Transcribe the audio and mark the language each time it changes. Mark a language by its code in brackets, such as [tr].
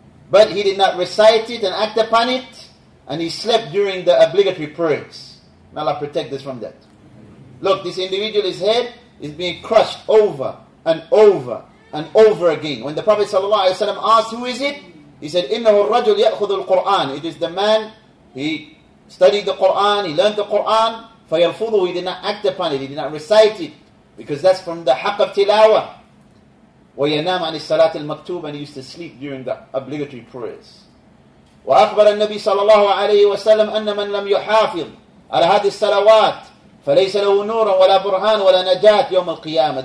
[en] But he did not recite it and act upon it, and he slept during the obligatory prayers. May Allah protect us from that. Look, this individual, his head is being crushed over and over and over again. When the Prophet ﷺ asked, who is it? He said, [ar] إِنَّهُ الرَّجُلْ يَأْخُذُ الْقُرْآنِ. [en] It is the man, he studied the Qur'an, he learned the Qur'an, [ar] فَيَرْفُضُهُ. [en] He did not act upon it, he did not recite it, because that's from the haqq of tilawah. [ar] وَيَنَامَ عَنِ السَّلَاةِ الْمَكْتُوبِ. [en] And he used to sleep during the obligatory prayers. [ar] وَأَخْبَرَ النَّبِيُّ صَلَى اللَّهُ عَلَيْهِ وَسَلَّمَ أَنَّ مَنْ لَمْ يُحَافِظْ عَلَى هَذِهِ الصَّلَوَاتِ فَلَيْسَ لَهُ نُورٌ وَلَا بُرْهَانٌ وَلَا نَجَاةٌ يَوْمَ الْقِيَامَةِ.